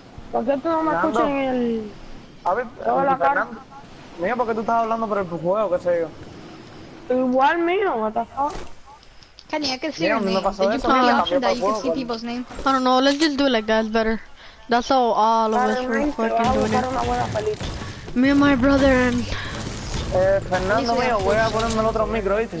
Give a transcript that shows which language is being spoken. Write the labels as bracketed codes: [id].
[es] ¿Por qué tú no me escuchas en el... A ver, hola, Fernando. Mira, ¿por qué tú estás hablando por el juego, qué sé yo? Igual mío, [en] what the fuck? Kenny, I can see yeah, your name. Did you the option that you can see people's name? I don't know, let's just do it like that's better. That's how all of us are fucking doing it. Me and my brother and... [es] Fernando, mío, voy a ponerme el otro micro, ¿viste?